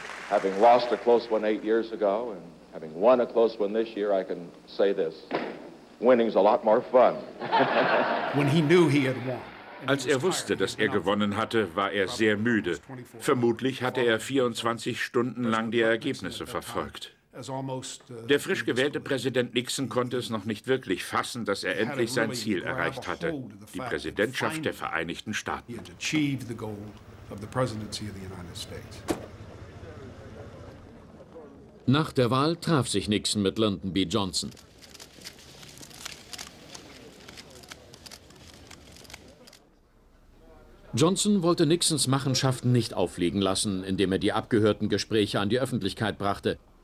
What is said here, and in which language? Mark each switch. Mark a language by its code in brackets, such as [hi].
[en] Having lost a close one 8 years ago and having won a close one this year, I can say this. Winning's a lot more fun. When he knew he had won. [de] Als er wusste, dass er gewonnen hatte, war er sehr müde. Vermutlich hatte er 24 Stunden lang die Ergebnisse verfolgt. Der frisch gewählte Präsident Nixon konnte es noch nicht wirklich fassen, dass er endlich sein Ziel erreicht hatte, die Präsidentschaft der Vereinigten Staaten. [en] He had achieved the goal of the presidency of the United States. [de] Nach der Wahl traf sich Nixon mit Lyndon B. Johnson. Johnson wollte Nixons Machenschaften nicht auffliegen lassen, indem er die abgehörten Gespräche an die Öffentlichkeit brachte.